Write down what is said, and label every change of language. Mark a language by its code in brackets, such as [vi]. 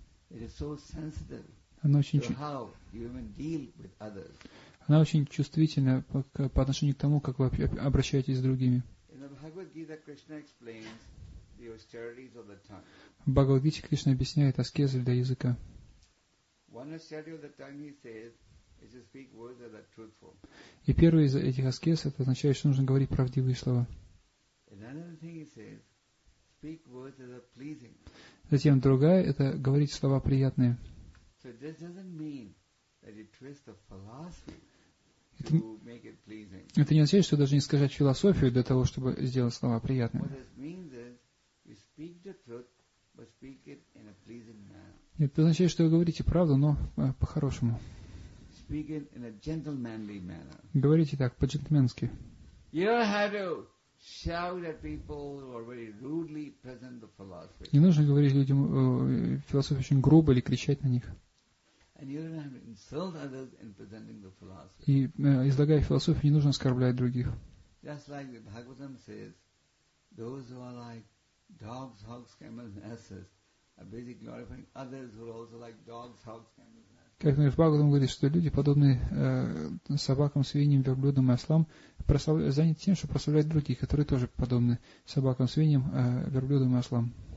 [en] It is so sensitive. [ru] Она очень [en] how you even deal with others. [ru] Она очень чувствительна по отношению к тому, как вы обращаетесь с другими. [en] In the Bhagavad Gita, Krishna explains the austerities of the tongue. [ru] В Бхагавад-гите Кришна объясняет аскезы для языка. [en] One austerity of the tongue, he says, is to speak words that are truthful. [ru] И первый из этих аскез, это означает, что нужно говорить правдивые слова. [en] Another thing he says, speak words that are pleasing. [ru] Затем другая, это говорить слова приятные. [en] So this doesn't mean that you twist the philosophy to make it pleasing. [ru] Это не означает, что даже не искажать философию для того, чтобы сделать слова приятными. [en] What this means is, you speak the truth, but speak it in a pleasing manner. [ru] Это означает, что вы говорите правду, но по-хорошему. [en] Speak it in a gentlemanly manner. [ru] Говорите так, по-джентльменски. [en] You don't have to shout at people who are very rudely present the philosophy. [ru] Не нужно говорить людям философию очень грубо или кричать на них. [en] And you don't have to insult others in presenting the philosophy. [ru] И излагая философию, не нужно оскорблять других. [en] Just like the Bhagavatam says, those who are like dogs, hogs, camels, and asses are busy glorifying others who are also like dogs, hogs, camels, and asses. [ru] Как мы в Бхагаватам говорим, что люди, подобные собакам, свиньям, верблюдам и ослам, заняты тем, что прославляют других, которые тоже подобны собакам, свиньям, верблюдам и ослам.